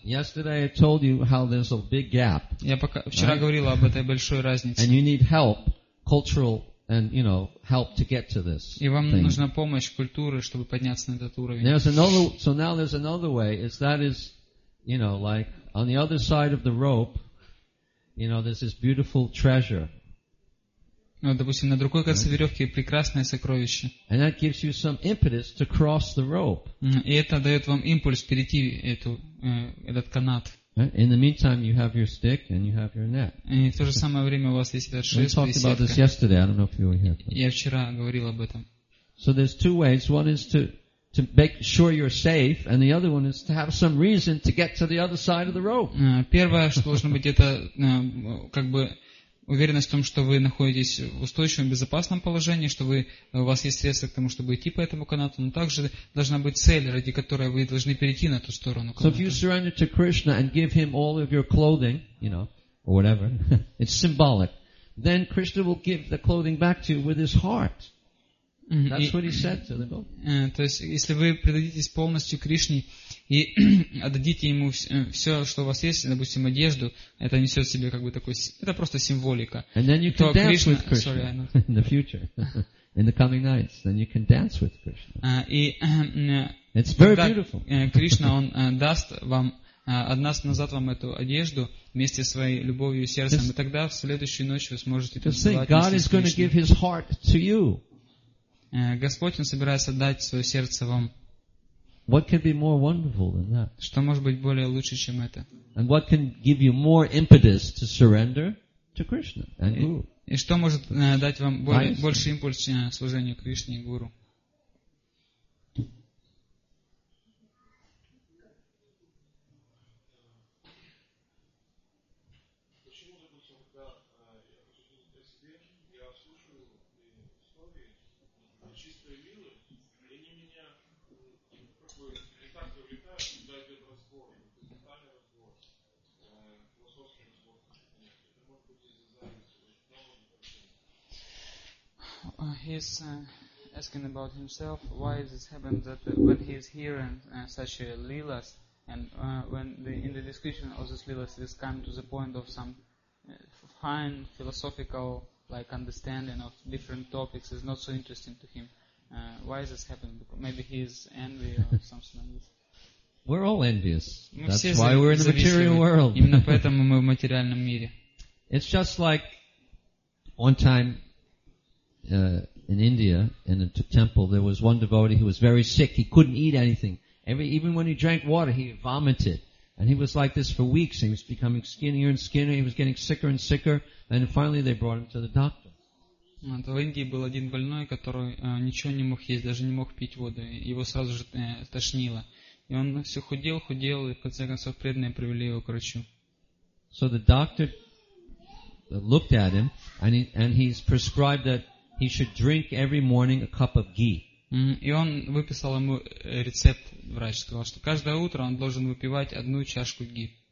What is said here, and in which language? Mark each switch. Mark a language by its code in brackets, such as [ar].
[en] Yesterday I told you how there's a big gap. [ru] Я пока вчера говорил об этой большой разнице. [en] And you need help, cultural and you know help to get to this. [ru] И вам нужна помощь культуры, чтобы подняться на этот уровень. [en] There's another. So now there's another way. Is that is, you know, like on the other side of the rope. You know, there's this beautiful treasure. [ru] Ну, допустим, на другой конце веревки прекрасное сокровище. [en] And that gives you some impetus to cross the rope. [ru] И это дает вам импульс перейти этот канат. [en] In the meantime, you have your stick and you have your net. [ru] И в то же самое время у вас есть этот шест и сетка. [en] We talked about this yesterday. I don't know if you were here. [ru] Я вчера говорил об этом. [en] So there's two ways. One is to to make sure you're safe, and the other one is to have some reason to get to the other side of the rope. [ru] Первое, что должно быть, это как бы уверенность в том, что вы находитесь в устойчивом, безопасном положении, что вы, у вас есть средства к тому, чтобы идти по этому канату, но также должна быть цель, ради которой вы должны перейти на ту сторону. [en] So if you surrender to Krishna and give him all of your clothing, you know, or whatever, it's symbolic, then Krishna will give the clothing back to you with his heart. That's what he said to the gopis. [ru] То есть, если вы предадитесь полностью Кришне и отдадите ему все, что у вас есть, допустим, одежду, это несет в себе как бы такой, это просто символика. [en] And then you can dance Krishna, with Krishna sorry, in the future, in the coming nights. Then you can dance with Krishna. It's very beautiful. [ru] Кришна, он даст вам, отдаст назад вам эту одежду вместе с своей любовью и сердцем, и тогда в следующую ночь вы сможете это сделать. [en] God is going to give his heart to you. [ru] Господь, Он собирается дать свое сердце вам. [en] What can be more wonderful than that? [ru] Что может быть более лучше, чем это? [en] And what can give you more impetus to surrender to Krishna and Guru? [ru] И что может дать вам больше импульс служению Кришне и Гуру? [en] He's asking about himself, why is this happened that when he is hearing such a leelas, and when in the description of this leelas, it is come to the point of some fine philosophical like understanding of different topics is not so interesting to him. Why is this happened? Maybe he is envy or something like this. We're all envious. That's why we're in the material world. [ru] Именно поэтому мы в материальном мире. [en] It's just like one time in India, in a temple, there was one devotee who was very sick. He couldn't eat anything. Even when he drank water, he vomited. And he was like this for weeks. He was becoming skinnier and skinnier. He was getting sicker and sicker. And finally, they brought him to the doctor. [ru] В Индии был один больной, который ничего не мог есть, даже не мог пить воду. Его сразу же тошнило. И он все худел, худел, и в конце концов преданные привели его к врачу. [en] So the doctor looked at him, and he's prescribed that he should drink every morning a cup of ghee. [ru] И он выписал ему рецепт, врач сказал, что каждое утро он должен выпивать одну чашку ги.